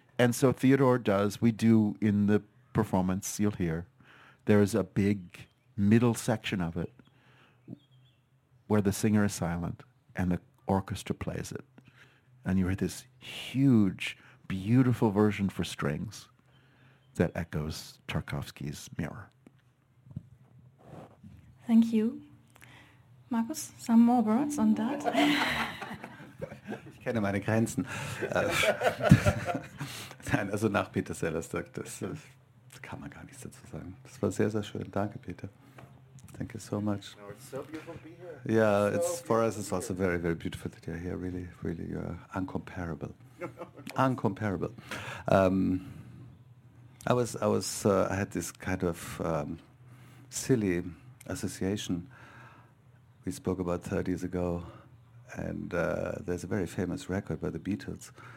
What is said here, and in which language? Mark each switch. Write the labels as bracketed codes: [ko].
[en] And so Theodore does, we do in the performance, you'll hear, there is a big middle section of it where the singer is silent and the orchestra plays it. And you hear this huge, beautiful version for strings that echoes Tarkovsky's Mirror. Thank you. Markus, some more words on that? [de] Ich kenne meine Grenzen. Nein, also nach Peter Sellers, das kann man gar nichts dazu sagen. Das war sehr, sehr schön. Danke, Peter. [en] Thank you so much. No, it's so beautiful to be here. Yeah, so it's for us, it's also very, very beautiful that you're here. Really, really, you're incomparable. Incomparable. I had this kind of silly association we spoke about 30 years ago. And there's a very famous record by the Beatles